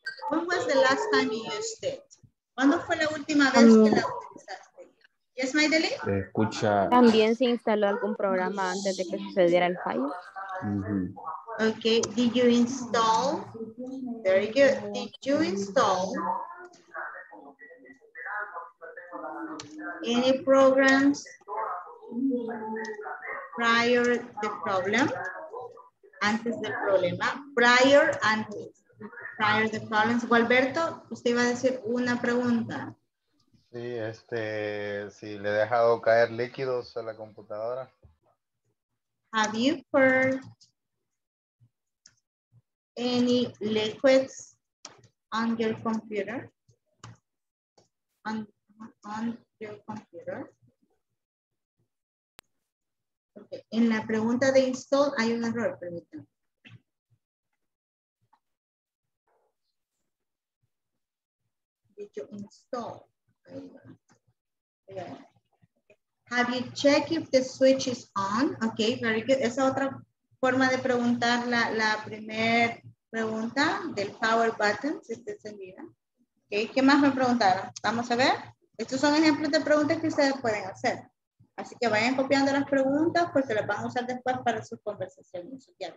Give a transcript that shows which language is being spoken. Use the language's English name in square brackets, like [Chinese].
[English] When was the last time you used it? [Spanish] ¿Cuándo fue la última vez que la utilizaste? [English] Yes, Maideli? [Spanish] Escucha. ¿También se instaló algún programa antes de que sucediera el fallo? [English] Okay, did you install? Very good. Did you install any programs prior to the problem? [Spanish] Antes del problema. Prior, antes. [English] Prior to the problems. [Spanish] Gualberto, usted iba a decir una pregunta. Sí, si le he dejado caer líquidos a la computadora. [English] Have you heard any liquids on your computer? On your computer? Okay. [Spanish] En la pregunta de install hay un error, permítanme. [English] Did you install? Yeah. Have you checked if the switch is on? Okay, very good. [Spanish] Esa otra forma de preguntar la primera pregunta del power button, si está encendida. Okay, ¿qué más me preguntaron? Vamos a ver. Estos son ejemplos de preguntas que ustedes pueden hacer. Así que vayan copiando las preguntas porque las van a usar después para sus conversaciones.